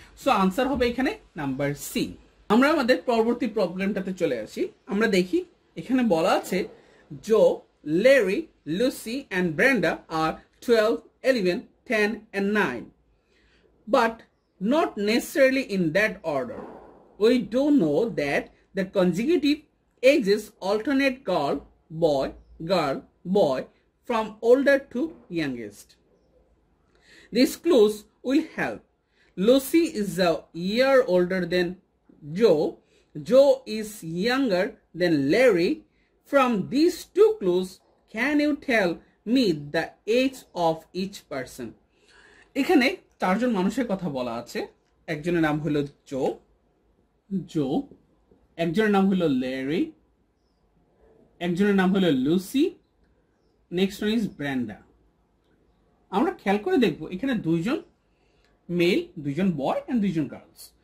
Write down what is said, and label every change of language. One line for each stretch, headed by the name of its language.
English: So answer হবে এখানে number C.
Bangla: আমরা আমাদের পরবর্তী প্রবলেমটাতে চলে আসি, আমরা দেখি এখানে বলা আছে
English: Joe, Larry, Lucy and Brenda আর 12, 11, 10 and 9, but not necessarily in that order, we don't know that the consecutive ages alternate girl boy girl boy from older to youngest. These clues will help. Lucy is a year older than Joe. Joe is younger than Larry. From these two clues, can you tell me the age of each person?
Bangla: এখানে চারজন মানুষের কথা বলা আছে, একজনের নাম হলো জো, জো, একজনের নাম হলো লেরি, একজনের নাম হলো Lucy,
English: next one is
Bangla: Brenda. আমরা খেয়াল করে দেখব এখানে দুইজন মেল, দুইজন বয় অ্যান্ড দুইজন গার্লস।